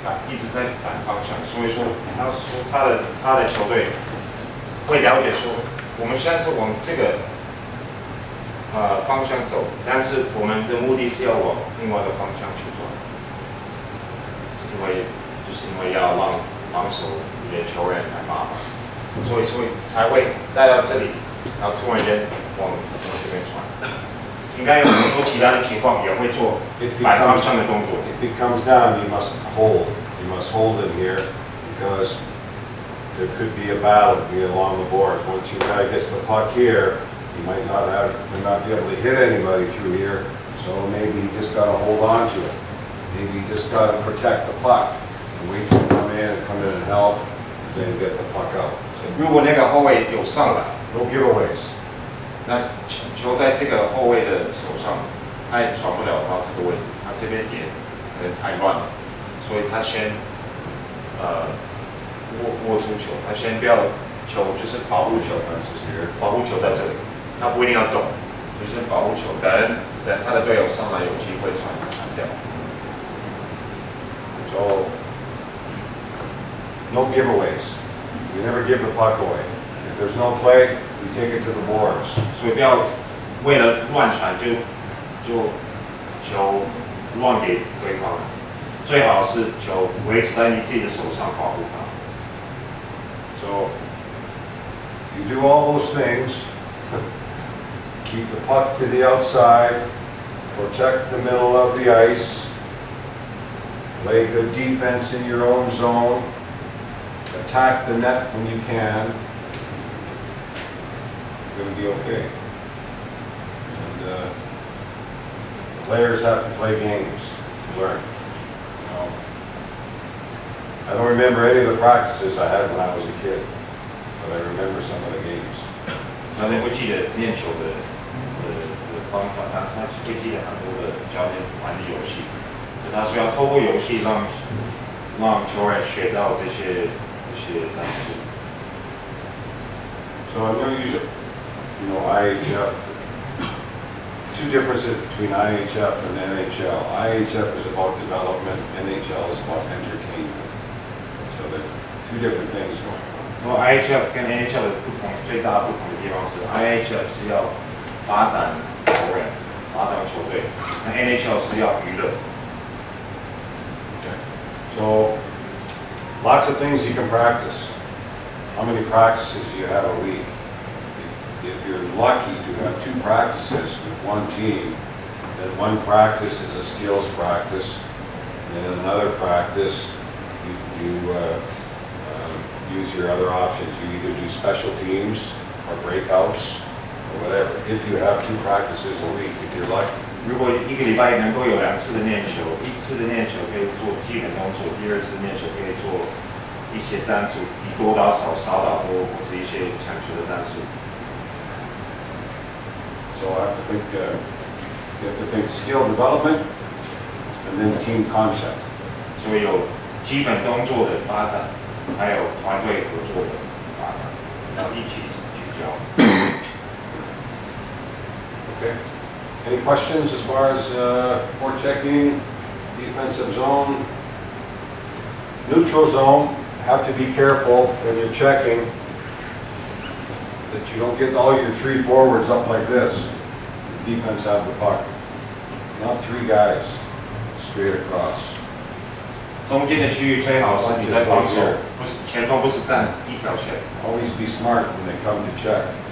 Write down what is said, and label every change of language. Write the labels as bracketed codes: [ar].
[zh] 一直在反方向，所以说他的球队会了解说，我们现在是往这个方向走，但是我们的目的是要往另外的方向去转，是因为要让防守你的球员来骂，所以才会带到这里，然后突然间往这边传。应该有很多其他的情况也会做反方向的动作。 [en] If it comes down, you must hold. You must hold it here because there could be a battle be along the board. Once your guy gets the puck here, he might not be able to hit anybody through here. So maybe he just got to hold on to it. Maybe he just got to protect the puck and wait for him to come in and help, and then get the puck out. [zh] 如果那个后卫有上来 [en] ，No giveaways。 [zh] 那球在这个后卫的手上，他也传不了到这个位置，他这边也可能太乱了，所以他先握住球，他先不要球，就是保护球，保护球在这里，他不一定要动，就是保护球，等他的队友上来有机会传掉。 [en] So no giveaways, you never give the puck away. If there's no play. You take it to the boards. [zh] 所以不要为了乱传就乱给对方，最好是球维持在你自己的手上保护它。 [en] So you do all those things, keep the puck to the outside, protect the middle of the ice, play good defense in your own zone, attack the net when you can. Going to be okay. And players have to play games to learn. You know, I don't remember any of the practices I had when I was a kid, but I remember some of the games. So, I remember the practice of the game, but I remember some of the games. [zh] 他需要透过游戏让球员学到这些单词。 [en] So I'm going to use it. You know, IIHF. Two differences between IIHF and NHL. IIHF is about development. NHL is about entertainment. So there are two different things going on. [zh] Well, IIHF 跟 NHL 的不同最大不同的地方是 IIHF 是要发展球员，发展球队。那 NHL 是要娱乐。 [en] Okay. So lots of things you can practice. How many practices do you have a week? If you're lucky to have two practices with one team, then one practice is a skills practice, and another practice, you use your other options. You either do special teams or breakouts or whatever. If you have two practices a week, if you're lucky. [zh] 如果一个礼拜能够有两次的练球，一次的练球可以做基本动作，第二次练球可以做一些战术，以多打少，少打多，或者一些抢球的战术。 [en] So I have to think, you have to think skill development, and then team concept. [zh] 所以有基本动作的发展，还有团队合作的发展，要一起聚焦。 [en] Okay. Any questions as far as forechecking, defensive zone, neutral zone? Have to be careful when you're checking that you don't get all your three forwards up like this. The defense have the puck. Not three guys straight across. [zh] 中间的区域最好是你在防守，不是前锋不是站一条线。 [en] Always be smart when they come to check.